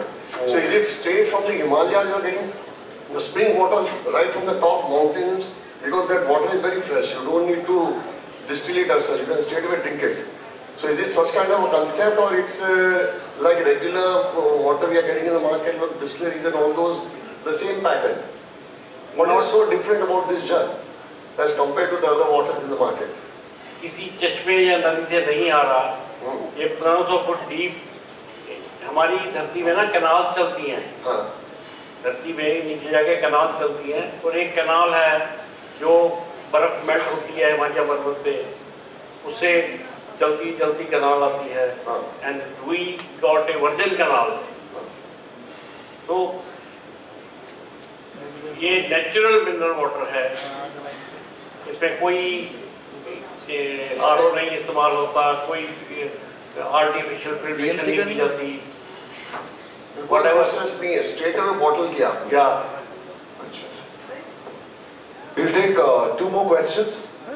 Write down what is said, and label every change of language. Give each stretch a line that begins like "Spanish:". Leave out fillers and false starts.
English: Mm-hmm. So is it straight from the Himalayas you are getting? The spring water right from the top mountains, because that water is very fresh. You don't need to distill it as such, you can straight away drink it. So is it such kind of a concept, or it's like regular water we are getting in the market with distilleries and all those, the same pattern? What is so different about this jal as compared to the other waters in the market?
Hindi: किसी चश्मे या नदी से नहीं आ रहा, ये 1500 foot deep हमारी धरती में ना कनाल चलती हैं, धरती में नीचे जाके कनाल चलती हैं, और एक कनाल है जो बर्फ मेल्ट होती है हिमालय पर्वत पे, उससे जल्दी जल्दी कनाल आती है,
English: and we got a virgin canal,
Hindi: तो ये नेचुरल मिनरल वाटर है, इसमें कोई आरओ नहीं इस्तेमाल होता, कोई आर्टिफिशियल फिल्ट्रेशन नहीं की जाती, व्हाटएवर सेंस नहीं है, स्ट्रेट अप बॉटल किया या
English: We'll take two more questions.